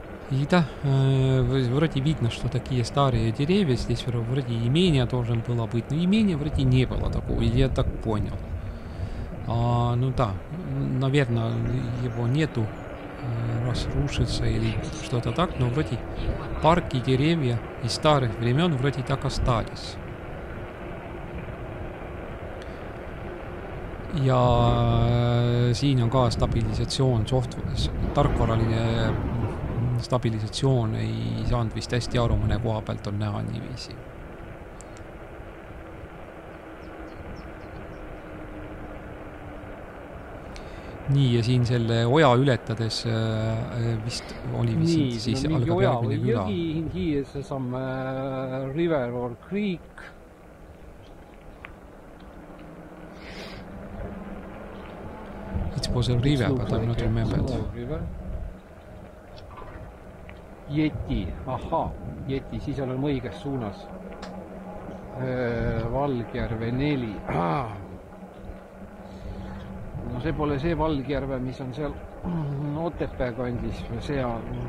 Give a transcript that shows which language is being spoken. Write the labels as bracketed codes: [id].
[ru] И да, вроде видно, что такие старые деревья, здесь вроде имение должен было быть, но имения вроде не было такого, я так понял. А, ну да, наверное, его нету, раз рушится или что-то так, но вроде парки, деревья из старых времен вроде так остались. [et] Ja siin on ka stabilisatsioon, soft, tarkvaraline stabilisatsioon ei saanud vist hästi aru, mõne koha pealt on näha niiviisi. Nii, ja siin selle oja ületades vist oli vist nii, siis no, algab järgmine küla. [en] Here is some river or creek. It was a river, but I'm not remembered. [et] Yeti, aha, Yeti, siis on õiges suunas. Valgjärve 4. No see pole see Valgjärve, mis on seal Otepää kandis. See on...